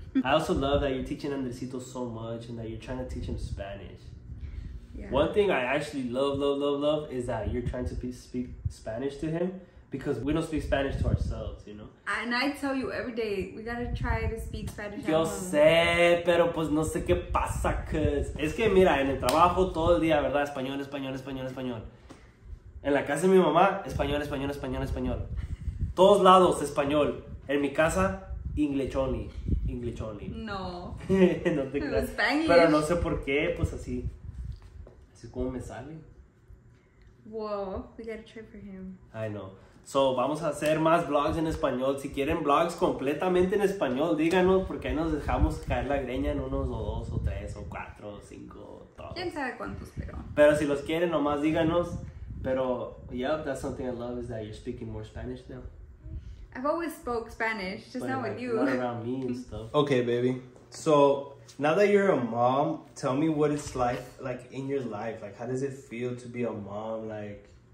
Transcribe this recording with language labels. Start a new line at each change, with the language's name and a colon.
English: I also love that you're teaching Andresito so much and that you're trying to teach him Spanish. Yeah. One thing I actually love is that you're trying to speak Spanish to him. Because we don't speak Spanish to ourselves, you know? And I tell you every day, we gotta try to speak Spanish.
Spanish: Yo sé, pero pues no sé qué pasa, cuz. Es que mira, en el trabajo todo el día, ¿verdad? Español, español, español, español. En la casa de mi mamá, español, español, español, español. Todos lados, español. En mi casa,
English: English only.
Spanish: No. No te creas.
English: Spanish.
Spanish: Pero no sé por qué, pues así. Así como me sale.
English: Whoa, we gotta try for him. I know.
Spanish: So, vamos a hacer más vlogs en español. Si quieren vlogs completamente en español, díganos, porque ahí nos dejamos caer la greña en unos, o dos, o tres, o cuatro, o cinco, todos. ¿Quién sabe cuántos, pero? Pero si los quieren, nomás díganos.
English: Pero, yep, that's something I love, is that you're speaking more Spanish now. I've always spoke Spanish, just not with you. Not around me and stuff. Okay, baby. So, now that you're a mom, tell me what it's like in your life. Like, how does it feel to be a mom, like...